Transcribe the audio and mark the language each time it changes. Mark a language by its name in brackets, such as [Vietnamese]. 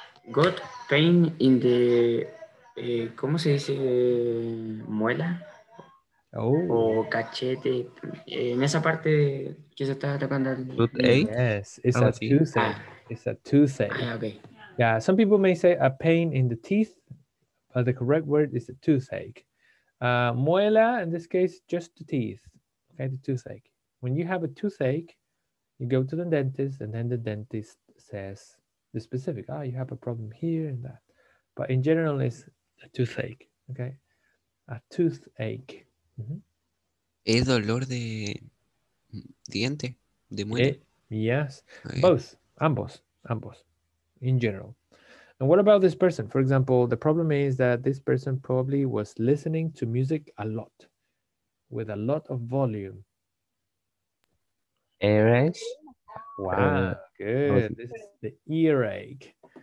[English] Got pain in the, [Spanish] ¿cómo se dice? Muela. Oh. O cachete. En esa parte que se está tocando. [English] Toothache? Yes, it's a toothache. It's a toothache. Okay. Yeah, some people may say a pain in the teeth, but the correct word is a toothache. Muela, in this case, just the teeth. Okay, the toothache. When you have a toothache, you go to the dentist, and then the dentist says the specific, you have a problem here and that. But in general, it's a toothache, okay? A toothache. Mm-hmm. [Spanish] ¿Es dolor de diente, de muela? [English] Yes, okay. Both, [Spanish] ambos, [English] in general. And what about this person? For example, the problem is that this person probably was listening to music a lot, with a lot of volume. Earache. Wow, good. This is the earache.